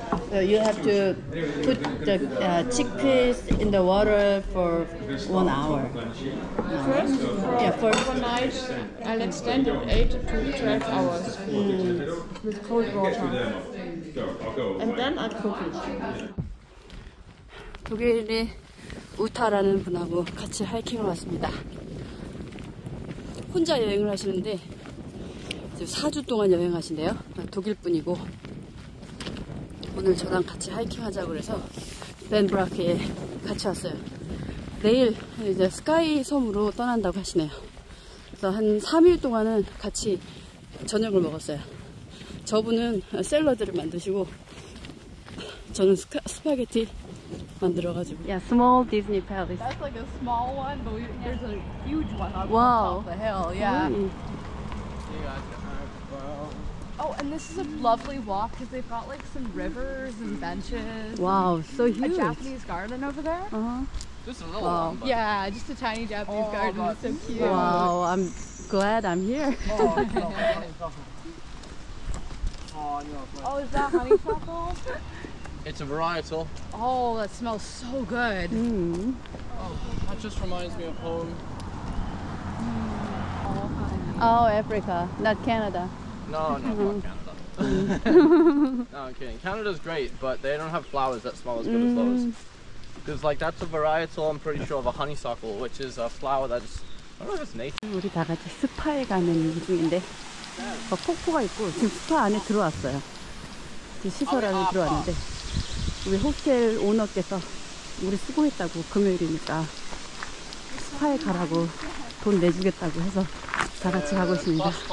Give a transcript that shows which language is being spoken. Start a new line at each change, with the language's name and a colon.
English: So you have to put the chickpeas in the water for 1 hour. First? Yeah, first. For overnight, I'll extend it 8 to 12 hours with cold water. And then I'll cook it.
Korean: 독일의 우타라는 분하고 같이 하이킹을 왔습니다. 혼자 여행을 하시는데 4주 동안 여행하신대요. 독일 분이고. 오늘 저랑 같이 하이킹 하자고 그래서 벤브라크에 같이 왔어요. 내일 이제 스카이 섬으로 떠난다고 하시네요. 그래서 한 3일 동안은 같이 저녁을 먹었어요. 저분은 샐러드를 만드시고 저는 스파게티 만들어가지고.
English: Yeah, small Disney palace. That's like a small one, but there's a huge one on the top of the hill. Yeah. Oh, and this is a lovely walk because they've got like some rivers and benches. Wow, so huge. A Japanese garden over there. Uh-huh. Just a little wow. one. But... Yeah, just a tiny Japanese oh, garden. It's so cute. Wow, I'm glad I'm here. Oh, is that honeysuckle? It's a varietal. Oh, that smells so good. Mm. Oh, that just reminds me of home. Mm. Oh, Africa, not Canada. No, not Canada. No, I'm kidding. Canada's great, but they don't have flowers that smell as good as those. Because like that's a varietal, I'm pretty sure, of a honeysuckle, which is a flower that's... I don't know if it's native.
Korean: 우리 다 같이 스파에 가는 중인데 막 폭포가 있고 지금 스파 안에 들어왔어요. 지금 시설 안에 들어왔는데 우리 호텔 오너께서 우리 수고했다고 금요일이니까 스파에 가라고 돈 내주겠다고 해서 다 같이 가고 있습니다.